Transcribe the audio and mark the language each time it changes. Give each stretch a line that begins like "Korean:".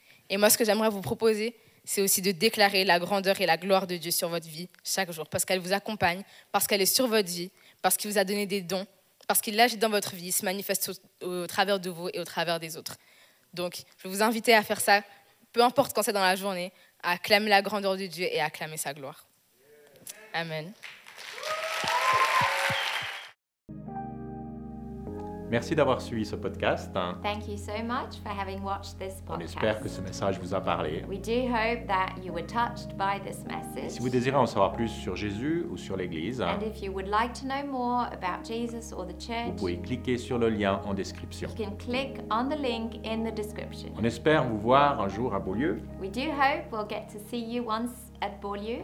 French: Et moi, ce que j'aimerais vous proposer, c'est aussi de déclarer la grandeur et la gloire de Dieu sur votre vie chaque jour, parce qu'elle vous accompagne, parce qu'elle est sur votre vie, parce qu'il vous a donné des dons, parce qu'il agit dans votre vie, se manifeste au travers de vous et au travers des autres. Donc, je vais vous inviter à faire ça, peu importe quand c'est dans la journée, acclamer la grandeur de Dieu et acclamer sa gloire. Amen. Merci d'avoir suivi ce podcast.
English: Thank you so much for having watched this podcast.
French: On espère que ce message vous a parlé.
English: We do hope that you were touched by this message.
French: Et si vous désirez en savoir plus sur Jésus ou sur l'Église,
English: and if you would like to know more about Jesus or the church,
French: vous pouvez cliquer sur le lien en description.
English: You can click on the link in the description.
French: On espère vous voir un jour à Beaulieu.
English: We do hope we'll get to see you once at Beaulieu.